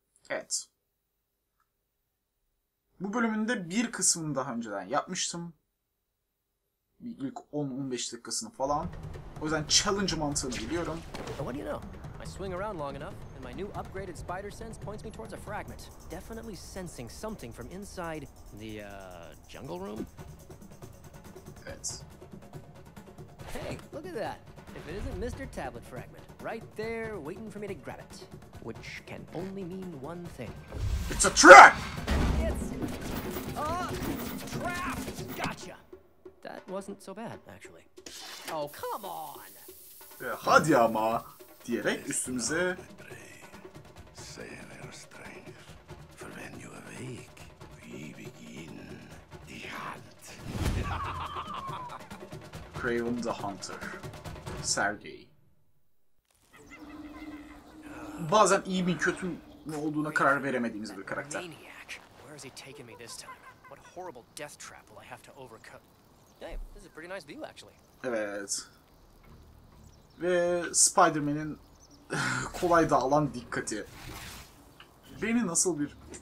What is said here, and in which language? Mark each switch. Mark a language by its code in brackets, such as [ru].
[tr] Evet. Bu bölümünde bir kısmını daha önceden yapmıştım. İlk 10-15 dakikasını falan. O yüzden challenge mantığını biliyorum. [en] What do you know? I swing around long enough and my new upgraded spider sense points me towards a fragment, definitely sensing something from inside the jungle room. [tr] Evet. [en] Hey, look at that. If it isn't Mr. Tablet fragment right there waiting for me to grab it, which can only mean one thing. It's a trap. It's a trap. Gotcha. That wasn't so bad actually. Oh, come on. [tr] Ya hadi ama diyerek üstümüze. [en] Kraven the Hunter, Sergei. [tr] Bazen iyi mi kötü mü olduğuna karar veremediğimiz bir karakter. [en] Maniac. Where is he taking me this time? What horrible death trap will I have to overcome? Hey, this is a pretty nice view actually. [tr] Evet. Ve Spider-Man'in kolay dağılan dikkati. Beni nasıl bir...